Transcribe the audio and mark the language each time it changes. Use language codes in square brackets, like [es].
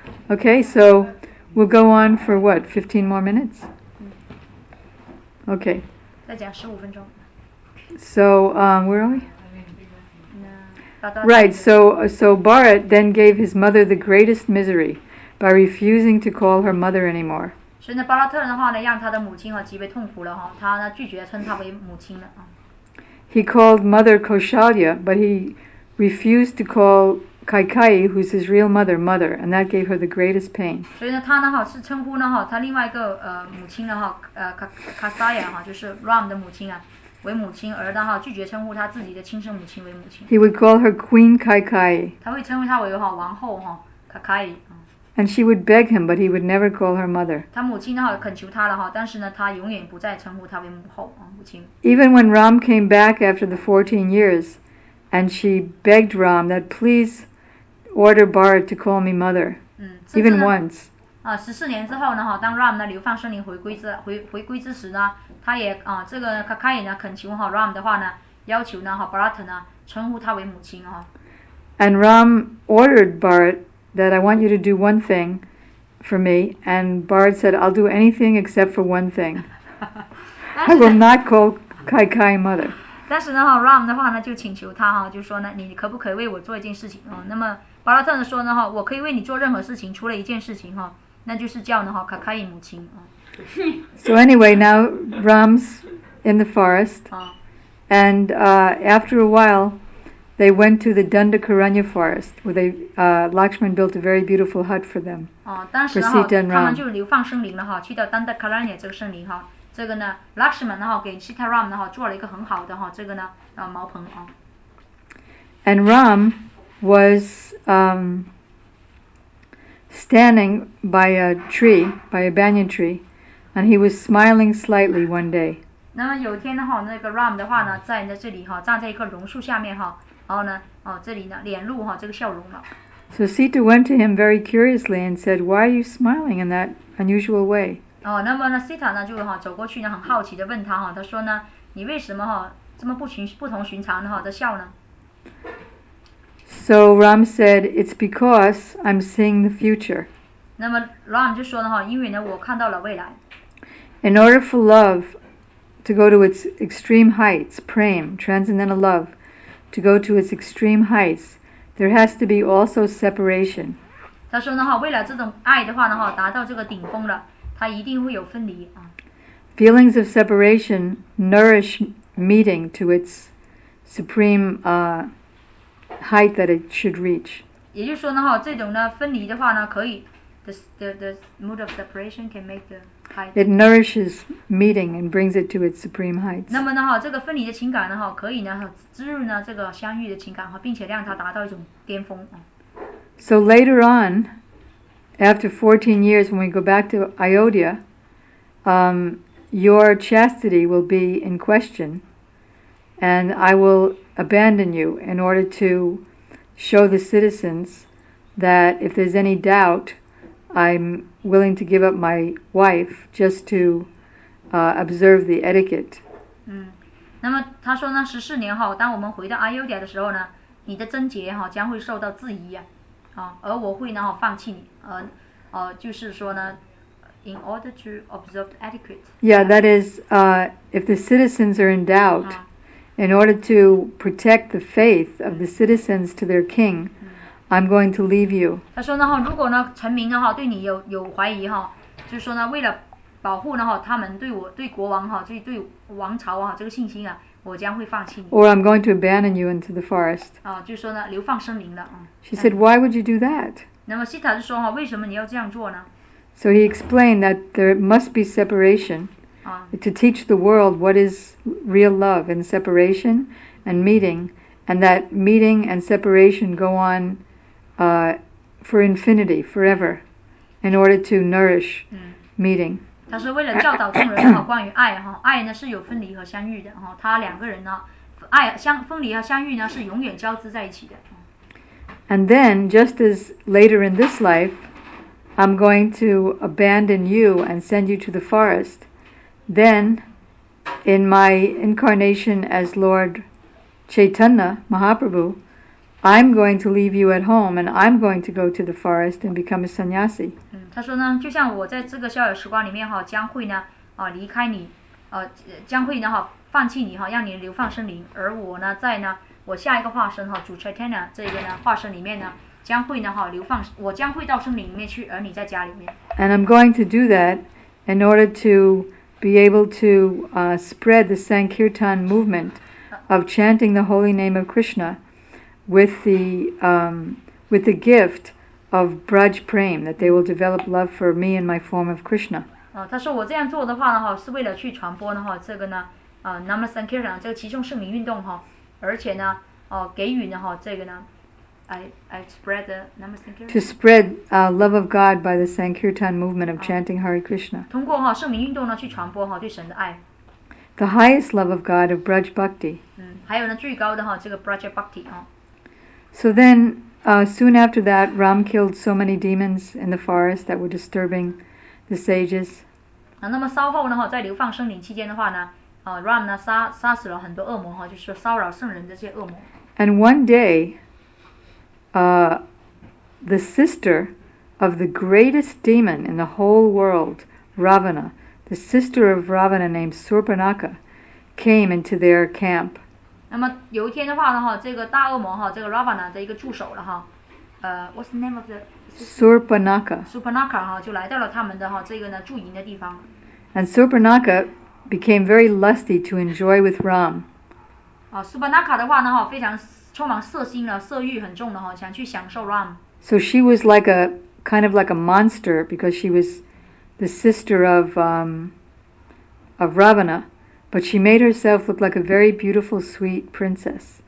[en] Okay, so we'll go on for what, 15 more minutes? Okay. [zh] 再讲十五分钟。 [en] So, where are we? No. Right, so Bharat then gave his mother the greatest misery by refusing to call her mother anymore. [zh] 所以呢，巴拉特的话呢，让他的母亲极为痛苦了，他呢拒绝称她为母亲了。 [en] He called mother Kaushalya, but he refused to call Kaikai, who's his real mother, mother, and that gave her the greatest pain. [zh] 所以呢，他呢哈是称呼呢哈，他另外一个母亲呢哈，Kasaya 哈，就是 Ram 的母亲啊，为母亲，而呢哈拒绝称呼他自己的亲生母亲为母亲。 [en] He would call her Queen Kaikai. [zh] 他会称呼她为哈王后哈 ，Kaikai。 [en] And she would beg him, but he would never call her mother. [zh] 他母亲呢哈恳求他了哈，但是呢他永远不再称呼她为母后啊母亲。 [en] Even when Ram came back after the 14 years. And she begged Ram that please order Bharat to call me mother, even once. [zh] 啊，十四年之后呢，哈，当 Ram 呢流放森林回归之时呢，他也啊，这个卡卡也呢恳求哈 Ram 的话呢，要求呢哈 Bharat 呢称呼他为母亲哈。 [en] And Ram ordered Bharat that I want you to do one thing for me, and Bharat said I'll do anything except for one thing. I will not call Kai Kai mother. [zh] 但是呢哈 ，Ram 的话呢就请求他哈，就说呢，你可不可以为我做一件事情啊、嗯？那么巴拉特呢说呢哈，我可以为你做任何事情，除了一件事情哈，那就是叫呢哈卡卡伊母亲啊。 [en] So anyway, now Ram's in the forest, and after a while, they went to the Dandakaranya forest where they Lakshman built a very beautiful hut for them. [zh] 啊，当时哈，他们就流放森林了哈，去到 Dandakaranya 这个森林哈。这个呢 ，Lakshman 呢哈给 Sita Ram 呢哈做了一个很好的哈这个呢茅棚啊。 [en] And Ram was standing by a tree, by a banyan tree, and he was smiling slightly one day. [zh] 那么有一天的话，那个 Ram 的话呢，在这里哈，站在一棵榕树下面哈，然后呢，哦这里呢脸露哈这个笑容了。 [en] So Sita went to him very curiously and said, "Why are you smiling in that unusual way?" [zh] 哦，那么呢 ，Sita 呢就哈、啊、走过去呢，很好奇的问他哈、啊，他说呢，你为什么哈、啊、这么不同寻常的哈、啊、的笑呢 [en] ？So Ram said, "It's because I'm seeing the future." [zh] 那么 Ram 就说呢哈、啊，因为呢我看到了未来。 [en] In order for love to go to its extreme heights, prem, transcendental love, to go to its extreme heights, there has to be also separation. [zh] 他说呢哈、啊，为了这种爱的话呢哈、啊，达到这个顶峰了。他一定会有分离啊。 [en] Feelings of separation nourish meeting to its supreme height that it should reach. [zh] 也就是说呢哈，这种呢分离的话呢，可以 [en] the mood of separation can make the height. It nourishes meeting and brings it to its supreme height. [zh] 那么呢哈，这个分离的情感呢哈，可以呢滋润呢这个相遇的情感哈，并且让它达到一种巅峰啊。 [en] So later on. After 14 years, when we go back to Ayodhya, your chastity will be in question, and I will abandon you in order to show the citizens that if there's any doubt, I'm willing to give up my wife just to observe the etiquette. [zh] 嗯，那么他说呢，十四年后，当我们回到 Ayodhya 的时候呢，你的贞洁哈将会受到质疑呀。而我会呢放弃你，就是说呢 ， [en] in order to observe etiquette. Yeah, that is, if the citizens are in doubt, in order to protect the faith of the citizens to their king, I'm going to leave you. [zh] 他说呢如果呢臣民呢对你有怀疑哈，就是说呢为了保护呢他们对我对国王哈就对王朝啊这个信心啊。我将会放弃你。 [en] Or I'm going to abandon you into the forest. [zh] 啊，就说呢，流放森林了。 [en] She said, "Why would you do that?" [zh] 那么 Sita 就说哈，为什么你要这样做呢 [en] ？So he explained that there must be separation, to teach the world what is real love and separation and meeting, and that meeting and separation go on, for infinity, forever, in order to nourish meeting. [zh] 他是为了教导众人哈，关于爱哈，爱呢是有分离和相遇的哈，他两个人呢，爱相分离和相遇呢是永远交织在一起的。 [en] And then, just as later in this life, I'm going to abandon you and send you to the forest. Then, in my incarnation as Lord Chaitanya Mahaprabhu, I'm going to leave you at home, and I'm going to go to the forest and become a sannyasi. [zh] 他说呢，就像我在这个逍遥时光里面哈，将会呢离开你，将会呢哈放弃你哈，让你流放森林。而我呢，在呢我下一个化身哈，主 Chaitanya 这个呢化身里面呢，将会呢哈流放，我将会到森林里面去，而你在家里面。 [en] And I'm going to do that in order to be able to spread the Sankirtan movement of chanting the holy name of Krishna with the with the gift of Braj Prem, that they will develop love for me and my form of Krishna. [zh] 他说我这样做的话呢，是为了去传播呢，这个呢，Namasankirtan 这个其中圣名运动，而且呢，给予呢，这个呢， [en] I spread the Namasankirtan. To spread love of God by the Sankirtan movement of chanting Hare Krishna. [zh] 通过圣名运动呢，去传播对神的爱。 [en] The highest love of God of Braj Bhakti. [zh] 还有呢，最高的这个 Braj Bhakti. [en] So then,soon after that, Ram killed so many demons in the forest that were disturbing the sages. [zh] 那么稍后呢，在流放圣灵期间的话呢，Ram 呢杀死了很多恶魔，就是骚扰圣人的这些恶魔。 [en] And one day, the sister of the greatest demon in the whole world, Ravana, the sister of Ravana named Surpanaka, came into their camp. [zh] 那么有一天的话呢，这个大恶魔这个 Ravana 的一个助手了 [en] what's the name of the Surpanaka? [zh] Surpanaka 就来到了他们的这个呢驻营的地方。 [en] And Surpanaka became very lusty to enjoy with Ram. [zh] Surpanaka 的话呢非常充满色心了，色欲很重的想去享受 Ram. [en] So she was like a kind of like a monster because she was the sister of Ravana. But she made herself look like a very beautiful, sweet princess.